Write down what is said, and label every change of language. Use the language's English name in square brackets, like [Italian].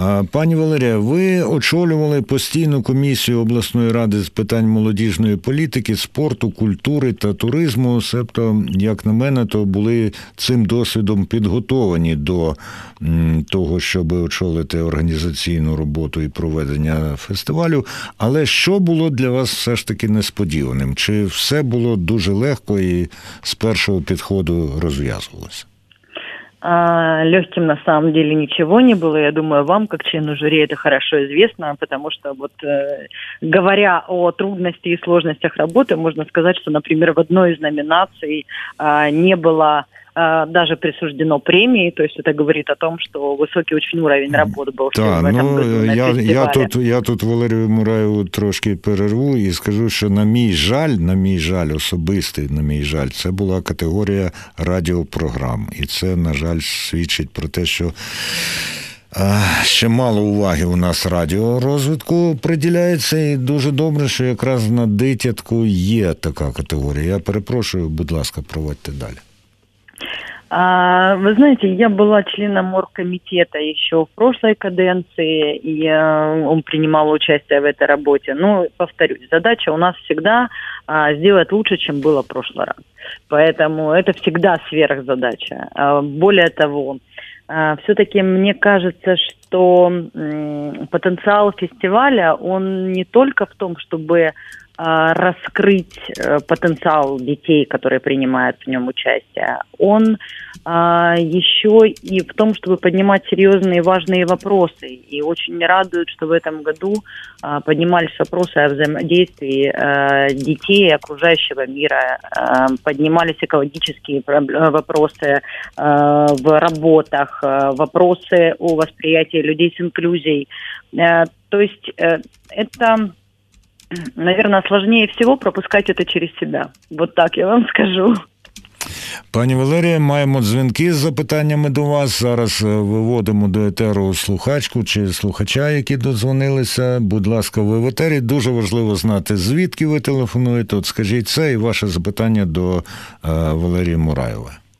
[Ukrainian] Пані Валерія, ви очолювали постійну комісію обласної ради з питань молодіжної політики, спорту, культури та туризму, себто, як на мене, то були цим досвідом підготовані до того, щоб очолити організаційну роботу і проведення фестивалю. Але що було для вас все ж таки несподіваним? Чи все було дуже легко і з першого підходу розв'язувалося? [Russian] Легким на самом деле ничего не было. Я думаю, вам, как члену жюри, это хорошо известно, потому что вот говоря о трудностях и сложностях работы, можно сказать, что, например, в одной из номинаций не было даже присуждено премии, то есть это говорит о том, что высокий очень уровень работы был. Да, ну, я тут Валерию Мураеву трошки перерву и скажу, что [Ukrainian] на мій жаль, це була категорія радіопрограм. І це, на жаль, свідчить про те, що ще мало уваги у нас радіорозвитку приділяється, і дуже добре, що якраз на Дитятку є така категорія. Я перепрошую, будь ласка, проводьте далі. [Russian] Вы знаете, я была членом оргкомитета еще в прошлой каденции, и он принимал участие в этой работе. Но, повторюсь, задача у нас всегда сделать лучше, чем было в прошлый раз. Поэтому это всегда сверхзадача. Более того, все-таки мне кажется, что потенциал фестиваля, он не только в том, чтобы раскрыть потенциал детей, которые принимают в нем участие. Он еще и в том, чтобы поднимать серьезные и важные вопросы. И очень радует, что в этом году поднимались вопросы о взаимодействии детей и окружающего мира. Поднимались экологические вопросы в работах, вопросы о восприятии людей с инклюзией. То есть это, наверное, сложнее всего пропускать это через себя. Вот так я вам скажу. [Ukrainian] Пані Валерія, маємо дзвінки з запитаннями до вас. Зараз виводимо до етеру слухачку чи слухача, які додзвонилися. Будь ласка, ви в етері. Дуже важливо знати, звідки ви телефонуєте. От скажіть це і ваше запитання до Валерії Мураєва.